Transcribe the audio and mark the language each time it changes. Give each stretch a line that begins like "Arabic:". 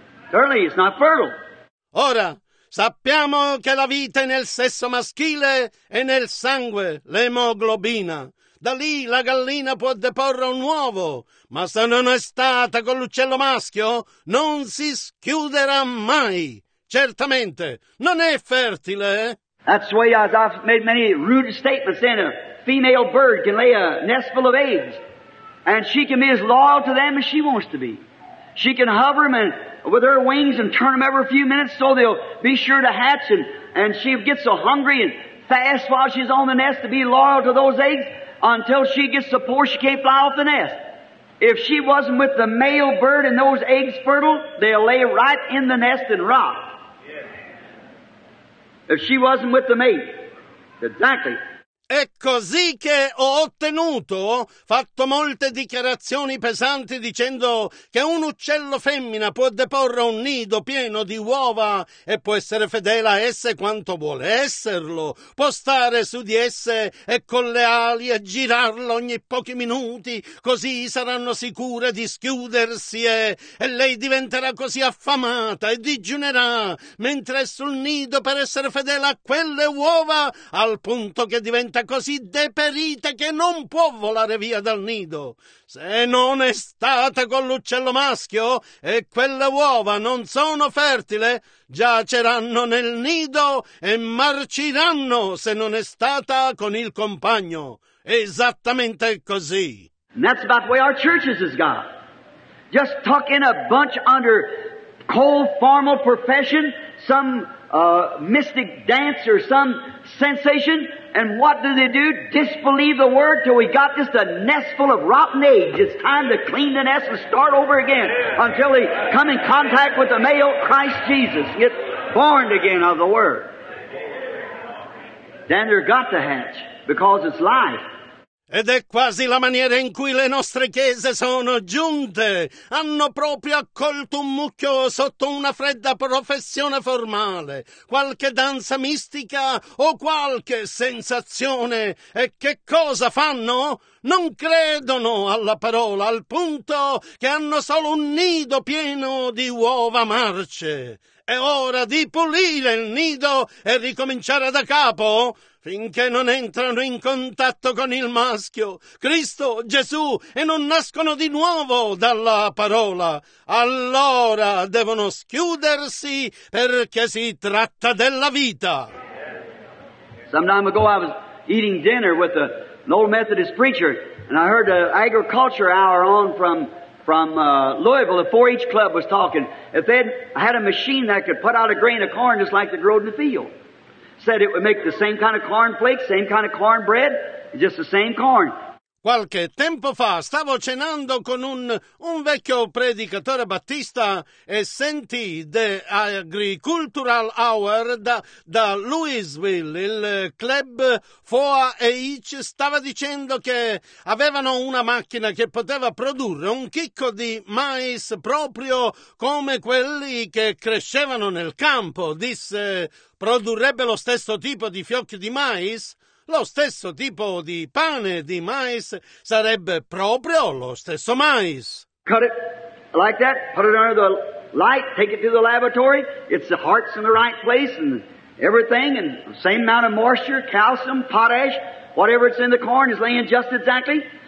English: Surely, it's not fertile.
Italian: Ora, sappiamo che la vita è nel sesso maschile e nel sangue, l'emoglobina. Da lì la gallina può deporre un uovo. Ma se non è stata con l'uccello maschio, non si schiuderà mai. Certamente, non è fertile.
English: That's the way I've made many rude statements in it. Female bird can lay a nest full of eggs, and she can be as loyal to them as she wants to be. She can hover them and, with her wings and turn them every few minutes so they'll be sure to hatch, and she gets so hungry and fast while she's on the nest to be loyal to those eggs until she gets so poor she can't fly off the nest. If she wasn't with the male bird and those eggs fertile, they'll lay right in the nest and rot. Yes. If she wasn't with the mate, exactly.
Italian: È così che ho ottenuto, fatto molte dichiarazioni pesanti dicendo che un uccello femmina può deporre un nido pieno di uova e può essere fedele a esse quanto vuole esserlo, può stare su di esse e con le ali e girarlo ogni pochi minuti, così saranno sicure di schiudersi e lei diventerà così affamata e digiunerà mentre è sul nido per essere fedele a quelle uova al punto che diventa così così deperita che non può volare via dal nido. Se non è stata con l'uccello maschio e quelle uova non sono fertile, giaceranno nel nido e marciranno se non è stata con il compagno. Esattamente così.
English: And that's about the way our churches has got. Just tuck in a bunch under cold formal profession, some mystic dance or some sensation, and what do they do? Disbelieve the word till we got just a nest full of rotten eggs. It's time to clean the nest and start over again until they come in contact with the male Christ Jesus, get born again of the word. Then they've got to hatch because it's life.
Italian: Ed è quasi la maniera in cui le nostre chiese sono giunte. Hanno proprio accolto un mucchio sotto una fredda professione formale, qualche danza mistica o qualche sensazione. E che cosa fanno? Non credono alla parola, al punto che hanno solo un nido pieno di uova marce. È ora di pulire il nido e ricominciare da capo? Finché non entrano in contatto con il maschio, Cristo, Gesù, e non nascono di nuovo dalla parola, allora devono schiudersi perché si tratta della vita.
English: Some time ago I was eating dinner with an old Methodist preacher and I heard an agriculture hour on from Louisville, the 4-H club was talking. If they had a machine that could put out a grain of corn just like they growed in the field. Said it would make the same kind of corn flakes, same kind of corn bread, just the same corn.
Italian: Qualche tempo fa stavo cenando con un vecchio predicatore battista e sentì The Agricultural Hour da Louisville, il club 4-H, stava dicendo che avevano una macchina che poteva produrre un chicco di mais proprio come quelli che crescevano nel campo. Disse, produrrebbe lo stesso tipo di fiocchi di mais? Lo stesso tipo di pane di mais sarebbe proprio lo stesso mais.
English: Cut it like that, put it under the light, take it to the laboratory, it's the heart's in the right place and everything, and the same amount of moisture, calcium, potash, whatever it's in the corn is laying just exactly.